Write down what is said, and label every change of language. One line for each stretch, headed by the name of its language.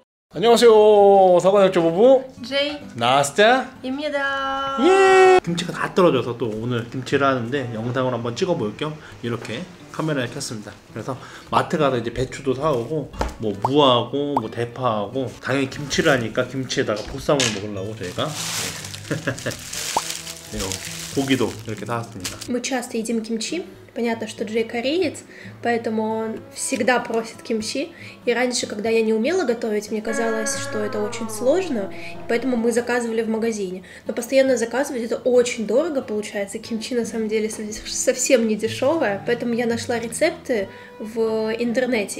Korean: Аньохасио, Сагуанэк Чобобу, Джей, Настя, 입니다. 예! 김치가 다 떨어져서 또 오늘 김치를 하는데 영상을 한번 찍어볼 겸 이렇게 카메라를 켰습니다. 그래서 마트 가서 이제 배추도 사오고 뭐 무하고 뭐 대파하고 당연히 김치를 하니까 김치에다가 보쌈을 먹으려고 저희가 이거 고기도 이렇게 사왔습니다.
Russian: Мы часто едим кимчи. Понятно, что Джей кореец, поэтому он всегда просит кимчи. И раньше, когда я не умела готовить, мне казалось, что это очень сложно, поэтому мы заказывали в магазине. Но постоянно заказывать это очень дорого получается. Кимчи на самом деле совсем не дешевое, поэтому я нашла рецепты в интернете.